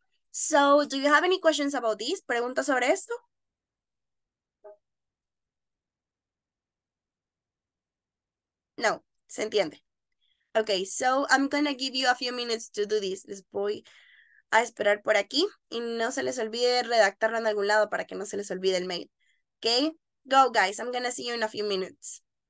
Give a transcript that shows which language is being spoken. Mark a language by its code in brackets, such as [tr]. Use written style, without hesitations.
[en] So, do you have any questions about this? [es] ¿Preguntas sobre esto? No, se entiende. [en] Ok, so I'm gonna give you a few minutes to do this. [es] Les voy a esperar por aquí y no se les olvide redactarlo en algún lado para que no se les olvide el mail. [en] Ok, go guys, I'm gonna see you in a few minutes.